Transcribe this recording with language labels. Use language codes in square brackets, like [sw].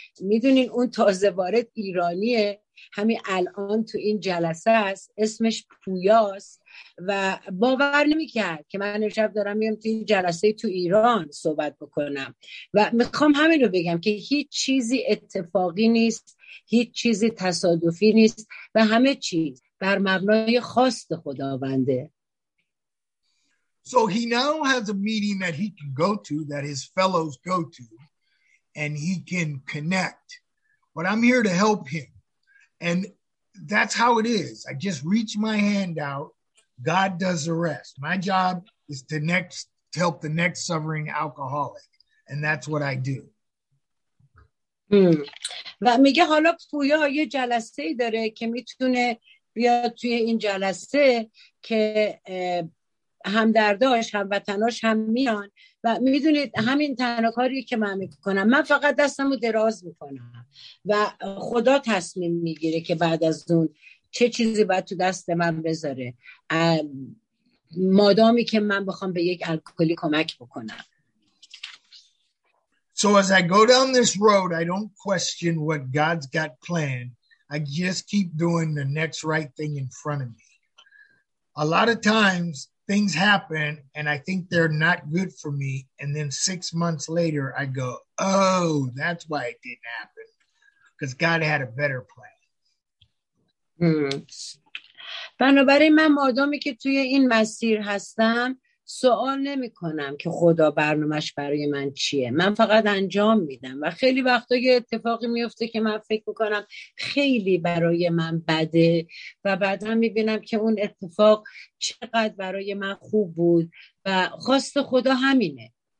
[fa] میدونین اون تازه وارد ایرانیه، همین الان تو این جلسه است، اسمش پویاست و باور نمیکرد که من امشب دارم میام تو این جلسه تو ایران صحبت بکنم. و میخوام همین رو بگم که هیچ چیزی اتفاقی نیست، هیچ چیزی تصادفی نیست و همه چیز بر مبنای خواست خداونده. [en] So he now has a meeting that he can go to, that his fellows go to, and he can connect. But I'm here to help him. And that's how it is. I just reach my hand out. God does the rest. My job is to help the next suffering alcoholic. And that's what I do. [fa] و میگه حالا پویا یه جلسه داره که میتونه بیاد توی این جلسه که همدرداش هموطناش هم میان. و میدونید همین تنها کاری که من میکنم، من فقط دستمو دراز میکنم و خدا تصمیم میگیره که بعد از اون چه چیزی باید تو دست من بذاره، مادامی که من بخوام به یک الکلی کمک بکنم. [en] So as I go down this road, I don't question what God's got planned. I just keep doing the next right thing in front of me. A lot of times things happen and I think they're not good for me, and then 6 months later I go, oh, that's why it didn't happen, because God had a better plan. [fa] بنابراین من مادامی که توی این مسیر هستم سوال نمی کنم که خدا برنامش برای من چیه. من فقط انجام میدم و خیلی وقتا یه اتفاقی میفته که من فکر میکنم خیلی برای من بده و بعدا میبینم که اون اتفاق چقدر برای من خوب بود و خواست خدا همینه.